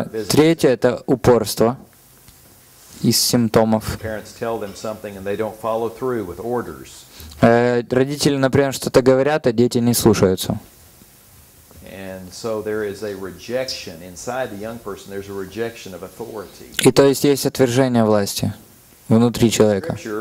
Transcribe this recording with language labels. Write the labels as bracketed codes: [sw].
[ru] Третье — это упорство из симптомов. Родители, например, что-то говорят, а дети не слушаются. [en] And so there is a rejection inside the young person. There's a rejection of authority. [ru] И то есть отвержение власти внутри человека.